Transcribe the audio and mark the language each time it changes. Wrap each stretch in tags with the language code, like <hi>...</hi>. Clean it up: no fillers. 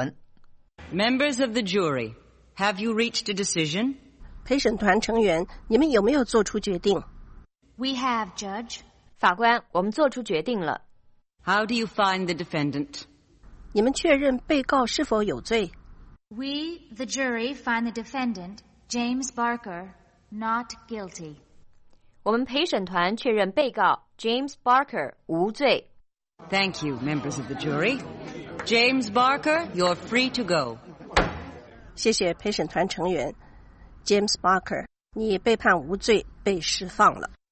<en>of the jury, have you reached a decision?</en> <zh>陪审团成员，你们有没有做出决定？</zh> <en>We have, Judge.</en> <zh>法官，我们做出决定了。</zh> <en>How do you find the defendant?</en> <zh>你们确认被告是否有罪？</zh> <en>We, the jury, find the defendant, James Barker, not guilty.</en> <zh>我们陪审团确认被告 James Barker 无罪。</zh> <en>Thank you, members of the jury. James Barker, you're free to go.</en> <zh>谢谢陪审团成员。 James Barker, 你被判无罪, 被释放了。</zh>